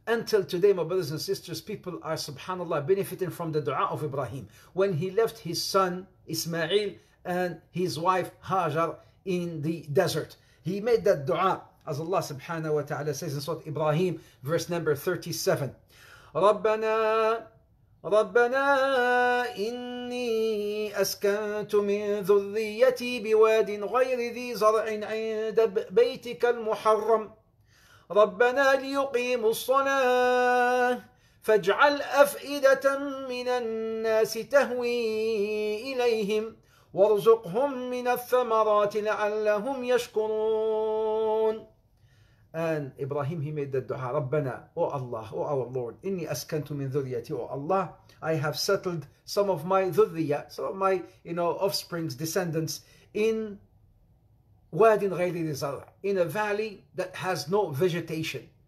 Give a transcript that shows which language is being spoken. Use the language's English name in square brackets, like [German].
[English] Until today, my brothers and sisters, people are subhanAllah benefiting from the dua of Ibrahim. When he left his son Ismail and his wife Hajar in the desert, he made that dua, as Allah subhanahu wa ta'ala says in Surah Ibrahim, verse number 37. [Arabic] ربنا ربنا إني أسكنت من ذريتي بواد غير ذي زرع عند بيتك المحرم ربنا ليقيموا الصلاة فاجعل أفئدة من الناس تهوي إليهم وارزقهم من الثمرات لعلهم يشكرون. [English] And Ibrahim, he made the dua, Rabbana, O Allah, O our Lord, [Arabic] inni askantu min dhurriyati, [English] O Allah, I have settled some of my dhurriya, some of my, you know, offsprings, descendants, [Arabic] in wadin ghayri zar, [English] in a valley that has no vegetation.